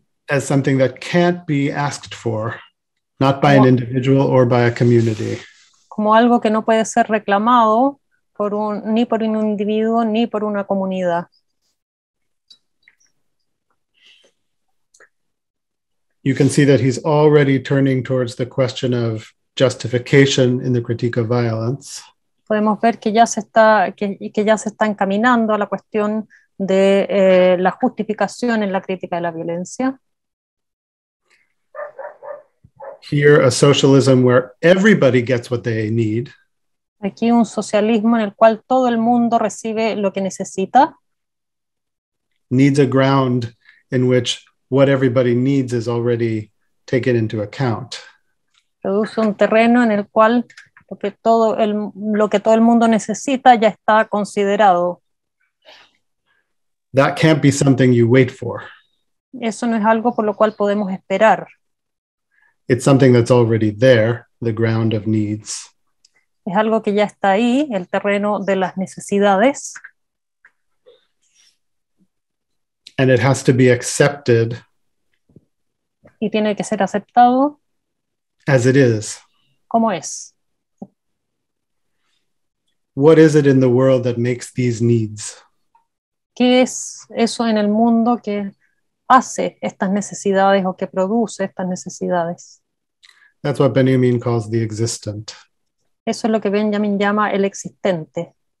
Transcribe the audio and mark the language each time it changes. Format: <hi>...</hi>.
<en>As something that can't be asked for, not by an individual or by a community.</en> <es>Como algo que no puede ser reclamado ni por un individuo ni por una comunidad.</es> <en>You can see that he's already turning towards the question of justification in the critique of violence.</en> <es>Podemos ver que ya se está encaminando a la cuestión de la justificación en la crítica de la violencia.</es> <en>Here a socialism where everybody gets what they need.</en> <es>Aquí un socialismo en el cual todo el mundo recibe lo que necesita.</es> <en>Needs a ground in which what everybody needs is already taken into account.</en> <es>Produce un terreno en el cual lo que todo el mundo necesita ya está considerado.</es> <en>That can't be something you wait for.</en> <es>Eso no es algo por lo cual podemos esperar.</es> <en>It's something that's already there, the ground of needs.</en> <es>Es algo que ya está ahí, el terreno de las necesidades.</es> <en>And it has to be accepted.</en> <es>Y tiene que ser aceptado.</es> <en>As it is.</en> <es>Como es.</es> <en>What is it in the world that makes these needs?</en> <es>¿Qué es eso en el mundo que hace estas necesidades o que produce estas necesidades?</es> <en>That's what Benjamin calls the existent.</en> <es>Eso es lo que Benjamin llama el existente.</es>